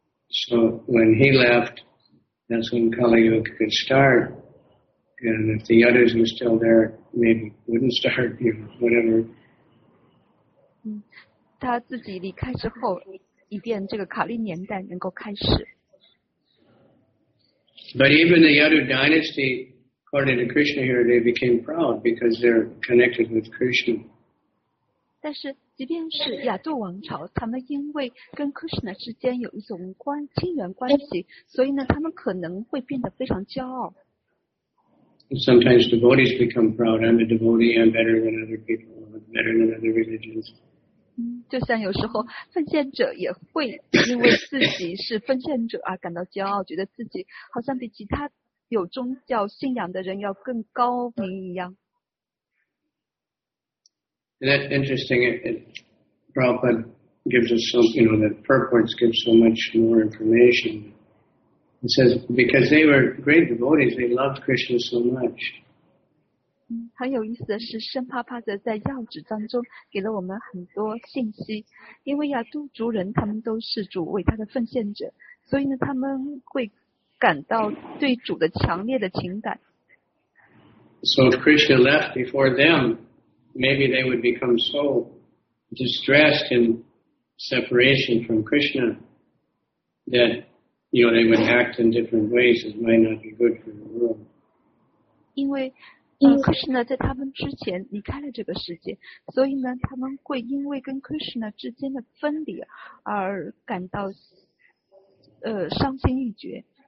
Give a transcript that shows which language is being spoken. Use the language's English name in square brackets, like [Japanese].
[English] So when he left, that's when Kali Yuga could start. And if the others were still there, maybe wouldn't start, you know, whatever. [Chinese] 他自己离开之后，以便这个卡利年代能够开始。 [English] But even the Yadu dynasty, according to Krishna here, they became proud because they're connected with Krishna. [Chinese] 但是即便是亚杜王朝，他们因为跟 Krishna 之间有一种亲缘关系，所以呢，他们可能会变得非常骄傲。 [English] Sometimes devotees become proud. I'm a devotee. I'm better than other people. I'm better than other religions. [Chinese] 就像有时候奉献者也会因为自己是奉献者而感到骄傲，觉得自己好像比其他有宗教信仰的人要更高明一样。 [English] That's interesting. Prabhupada gives us some, you know, the purports give so much more information. It says because they were great devotees, they loved Krishna so much. [Chinese] 很有意思的是，圣帕帕德在要旨当中给了我们很多信息。因为亚杜族人他们都是主为他的奉献者，所以呢，他们会感到对主的强烈的情感。 [English] So if Krishna left before them, maybe they would become so distressed in separation from Krishna that, you know, they would act in different ways that might not be good for the world. [Chinese] 因为Krishna 在他们之前离开了这个世界，所以呢，他们会因为跟 Krishna 之间的分离而感到伤心欲绝。